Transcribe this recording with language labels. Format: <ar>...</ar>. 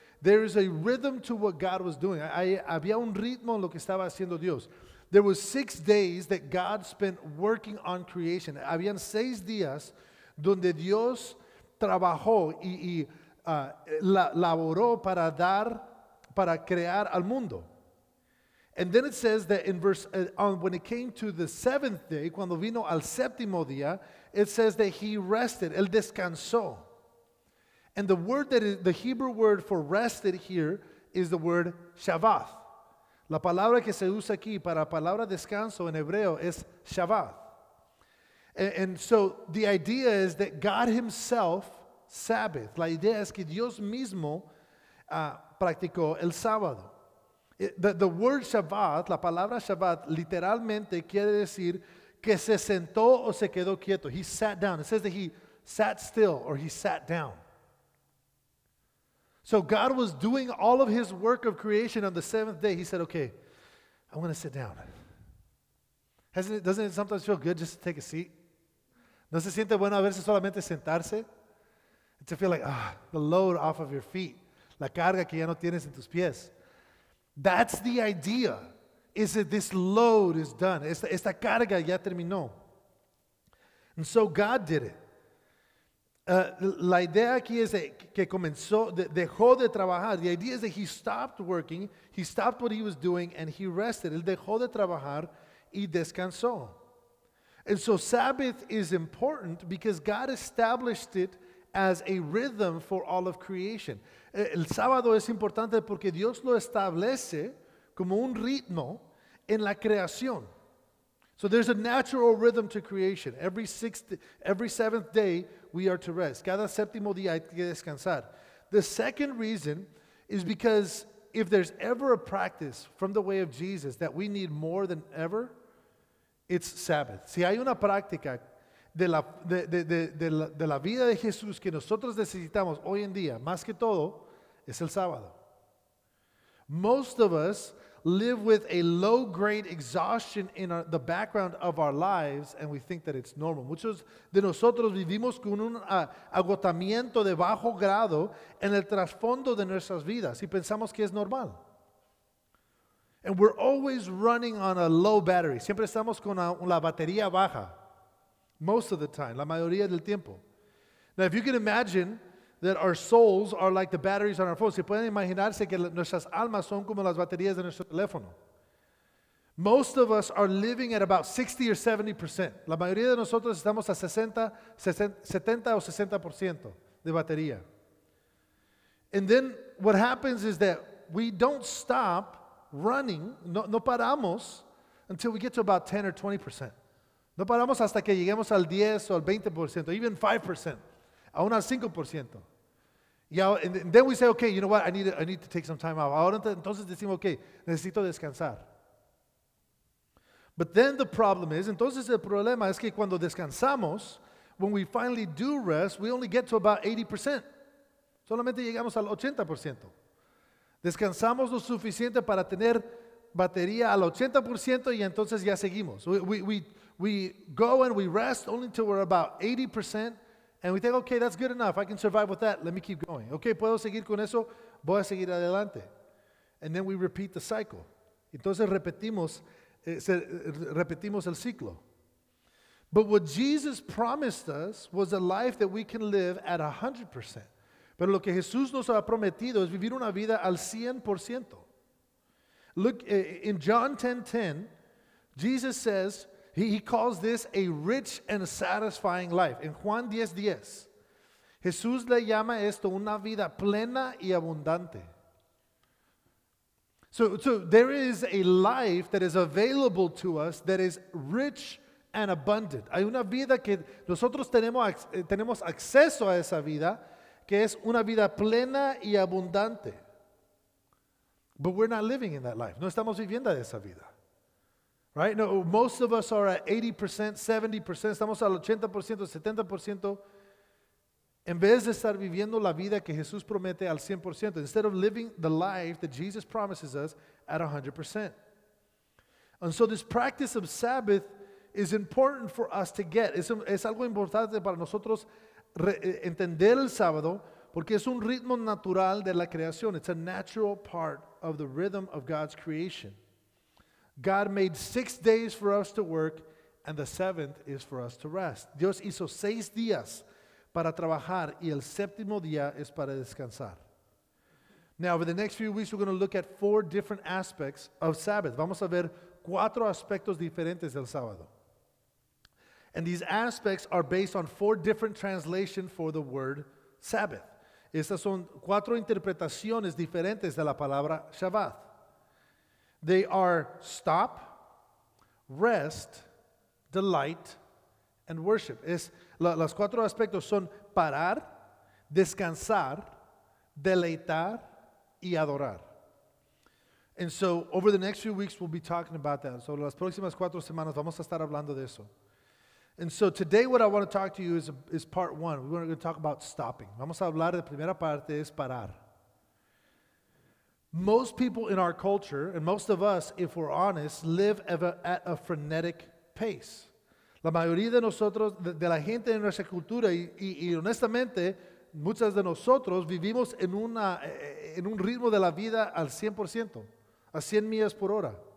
<en>There is a rhythm to what God was doing.</en> <es>Había un ritmo en lo que estaba haciendo Dios.</es> <en>There were 6 days that God spent working on creation.</en> <es>Habían 6 días donde Dios trabajó y laboró para dar, para crear al mundo.</es> <en>And then it says that in when it came to the seventh day,</en> <es>cuando vino al séptimo día,</es> <en>it says that he rested,</en> <es>él descansó.</es> <en>And the word that is, the Hebrew word for rested here is the word Sabbath.</en> <es>La palabra que se usa aquí para palabra descanso en hebreo es Sabbath.</es> <en>And so the idea is that God himself, Sabbath,</en> <es>la idea es que Dios mismo practicó el sábado.</es> <en>The word Sabbath,</en> <es>la palabra Sabbath, literalmente quiere decir que se sentó o se quedó quieto.</es> <en>He sat down. It says that he sat still or he sat down. So God was doing all of his work of creation on the seventh day. He said, okay, I want to sit down. Doesn't it sometimes feel good just to take a seat?</en> <es>¿No se siente bueno a veces solamente sentarse?</es> <en>To feel like, the load off of your feet.</en> <es>La carga que ya no tienes en tus pies.</es> <en>That's the idea, is that this load is done. Esta carga ya terminó. And so God did it.</en> <es>La idea aquí es que comenzó, dejó de trabajar.</es> <en>The idea is that he stopped working, he stopped what he was doing, and he rested.</en> <es>Él dejó de trabajar y descansó.</es> <en>And so Sabbath is important because God established it as a rhythm for all of creation.</en> <es>El sábado es importante porque Dios lo establece como un ritmo en la creación.</es> <en>So there's a natural rhythm to creation. Every seventh day, we are to rest.</en> <es>Cada séptimo día hay que descansar.</es> <en>The second reason is because if there's ever a practice from the way of Jesus that we need more than ever, it's Sabbath.</en> <es>Si hay una práctica de la vida de Jesús que nosotros necesitamos hoy en día, más que todo, es el sábado.</es> <en>Most of us live with a low-grade exhaustion in the background of our lives, and we think that it's normal.</en> <es>Muchos de nosotros vivimos con un agotamiento de bajo grado en el trasfondo de nuestras vidas, y pensamos que es normal.</es> <en>And we're always running on a low battery.</en> <es>Siempre estamos con la batería baja.</es> <en>Most of the time,</en> <es>la mayoría del tiempo.</es> <en>Now, if you can imagine that our souls are like the batteries on our phones,</en> <es>si pueden imaginarse que nuestras almas son como las baterías de nuestro teléfono.</es> <en>Most of us are living at about 60 or 70%.</en> <es>La mayoría de nosotros estamos a 70 o 60% de batería.</es> <en>And then what happens is that we don't stop running,</en> <es>no paramos</es> <en>until we get to about 10 or 20%.</en> <es>No paramos hasta que lleguemos al 10 o al 20%,</es> <en>even 5%,</en> <es>aún al 5%.</es> <en>And then we say, okay, you know what, I need to take some time off.</en> <es>Ahora entonces decimos, okay, necesito descansar.</es> <en>But then the problem is,</en> <es>entonces el problema es que cuando descansamos,</es> <en>when we finally do rest, we only get to about 80%.</en> <es>Solamente llegamos al 80%. Descansamos lo suficiente para tener batería al 80% y entonces ya seguimos.</es> <en>We go and we rest only until we're about 80%, and we think, okay, that's good enough. I can survive with that. Let me keep going.</en> <es>Okay, puedo seguir con eso. Voy a seguir adelante.</es> <en>And then we repeat the cycle.</en> <es>Entonces repetimos el ciclo.</es> <en>But what Jesus promised us was a life that we can live at 100%.</en> <es>Pero lo que Jesús nos ha prometido es vivir una vida al 100%.</es> <en>Look, in John 10:10, Jesus says, He calls this a rich and satisfying life.</en> <es>In Juan 10:10, Jesús le llama esto una vida plena y abundante.</es> <en>So there is a life that is available to us that is rich and abundant.</en> <es>Hay una vida que nosotros tenemos acceso a esa vida que es una vida plena y abundante.</es> <en>But we're not living in that life.</en> <es>No estamos viviendo esa vida.</es> <en>Right? No, most of us are at 80%, 70%,</en> <es>estamos al 80%, 70%, en vez de estar viviendo la vida que Jesús promete al 100%,</es> <en>instead of living the life that Jesus promises us at 100%. And so this practice of Sabbath is important for us to get.</en> <es>Es algo importante para nosotros entender el sábado, porque es un ritmo natural de la creación.</es> <en>It's a natural part of the rhythm of God's creation. God made 6 days for us to work, and the seventh is for us to rest.</en> <es>Dios hizo 6 días para trabajar, y el séptimo día es para descansar.</es> <en>Now, over the next few weeks, we're going to look at 4 different aspects of Sabbath.</en> <es>Vamos a ver 4 aspectos diferentes del sábado.</es> <en>And these aspects are based on 4 different translations for the word Sabbath.</en> <es>Estas son 4 interpretaciones diferentes de la palabra Shabbat.</es> <en>They are stop, rest, delight, and worship.</en> <es>Las 4 aspectos son parar, descansar, deleitar, y adorar.</es> <en>And so, over the next few weeks, we'll be talking about that.</en> <es>So, las próximas 4 semanas, vamos a estar hablando de eso.</es> <en>And so, today, what I want to talk to you is part one. We're going to talk about stopping.</en> <es>Vamos a hablar de primera parte, es parar.</es> <en>Most people in our culture, and most of us, if we're honest, live at a frenetic pace.</en> <es>La mayoría de nosotros, de la gente en nuestra cultura, y honestamente, muchas de nosotros vivimos en un ritmo de la vida al 100%, a 100 millas por hora.</es>